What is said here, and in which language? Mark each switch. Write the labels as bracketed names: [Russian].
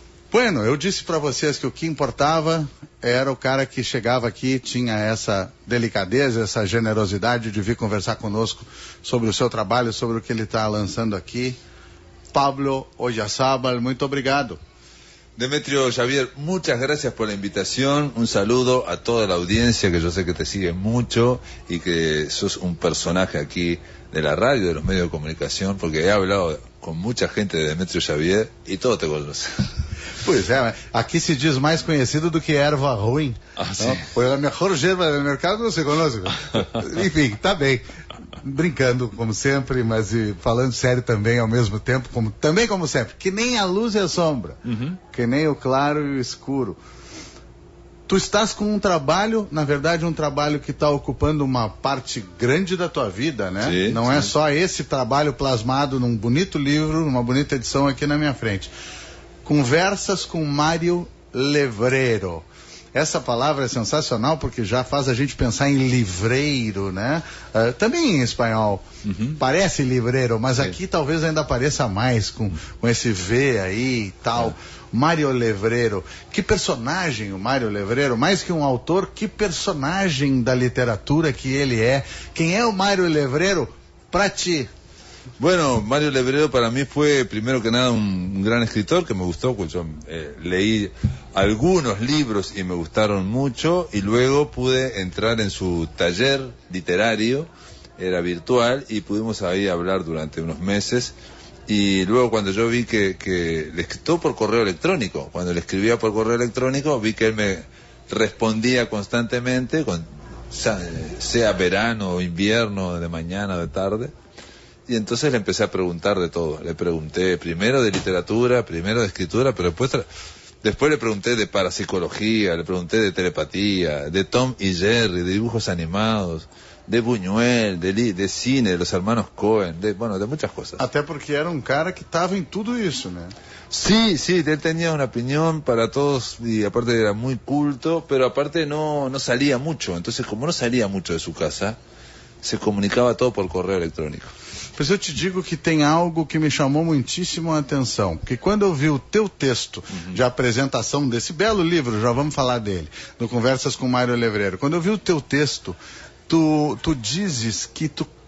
[Portuguese] Bueno, eu disse pra vocês que o que importava era o cara que chegava aqui, tinha essa delicadeza, essa generosidade de vir conversar conosco sobre o seu trabalho, sobre o que ele tá lançando aqui. Pablo Oyarzábal, muito obrigado. [Spanish] Demetrio Javier, muchas gracias por la invitación. Un saludo a toda la audiencia que yo sé que te sigue mucho y que sos un personaje aquí de la radio, de los medios de comunicación, porque he hablado con mucha gente de Demetrio Javier y todos te conocen. [Portuguese] Pues é, [Spanish] aquí [Portuguese] se diz [Spanish] más conocido [Portuguese] do que erva ruim. [Spanish] Ah, sí. Pues la mejor yerba del mercado no se conoce. [Portuguese] Enfim, está bem. Brincando, como sempre, mas e falando sério também ao mesmo tempo, como, também como sempre, que nem a luz e a sombra, uhum. Que nem o claro e o escuro. Tu estás com um trabalho, na verdade um trabalho que está ocupando uma parte grande da tua vida, né? Sim, não sim. É só esse trabalho plasmado num bonito livro, numa bonita edição aqui na minha frente. Conversas com Mário Levrero. Essa palavra é sensacional porque já faz a gente pensar em livreiro, né? Também em espanhol, uhum. Parece livreiro, mas é. Aqui talvez ainda apareça mais com esse V aí e tal. É. Mário Levrero, que personagem o Mário Levrero, mais que um autor, que personagem da literatura que ele é. Quem é o Mário Levrero pra ti? [Spanish] Bueno, Mario Levrero para mí fue primero que nada un gran escritor que me gustó, pues yo leí algunos libros y me gustaron mucho y luego pude entrar en su taller literario, era virtual y pudimos ahí hablar durante unos meses y luego cuando yo vi que le escribió por correo electrónico, cuando le escribía por correo electrónico vi que él me respondía constantemente, sea verano o invierno, de mañana o de tarde. Y entonces le empecé a preguntar de todo. Le pregunté primero de literatura, primero de escritura, pero después le pregunté de parapsicología, le pregunté de telepatía, de Tom y Jerry, de dibujos animados, de Buñuel, de cine, de los hermanos Coen, de muchas cosas. [Portuguese] Até [Spanish] porque era un cara que estaba en todo eso, ¿no? Sí, sí, él tenía una opinión para todos y aparte era muy culto, pero aparte no salía mucho. Entonces, como no salía mucho de su casa, [Portuguese] se comunicava todo por correio eletrônico. Pois eu te digo que tem algo que me chamou muitíssimo a atenção, que quando eu vi o teu texto de apresentação desse belo livro, já vamos falar dele, no Conversas com Mário Levrero, quando eu vi o teu texto, tu dizes que tu